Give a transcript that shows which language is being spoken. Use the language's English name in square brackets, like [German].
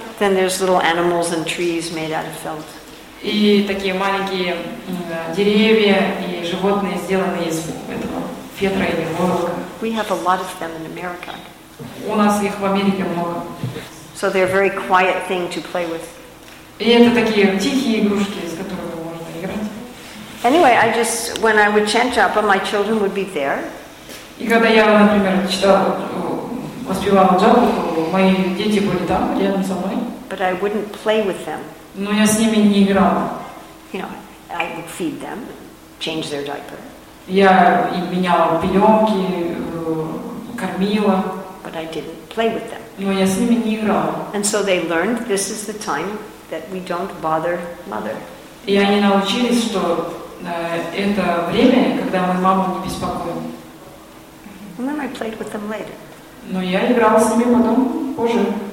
[English] Then there's little animals and trees made out of felt. [Russian] И такие маленькие деревья и животные сделаны из этого фетра или волока. [English] We have a lot of them in America. [Russian] У нас их в Америке много. [English] So they're a very quiet thing to play with. [Russian] И это такие тихие игрушки, с которыми можно играть. [English] Anyway, I just when I would chant Japa, my children would be there. [Russian] И когда я, например, воспевала джапу, мои дети были там, рядом со мной. [English] But I wouldn't play with them. [Russian] Но я с ними не играла. [English] You know, I would feed them, change their diaper. [Russian] Я им меняла пеленки, кормила. [English] But I didn't play with them. [Russian] Но я с ними не играла. [English] And so they learned this is the time that we don't bother mother. [Russian] И они научились, что это время, когда мы маму не беспокоим. [English] And then I played with them later. [Russian] Но я играла с ними потом, позже.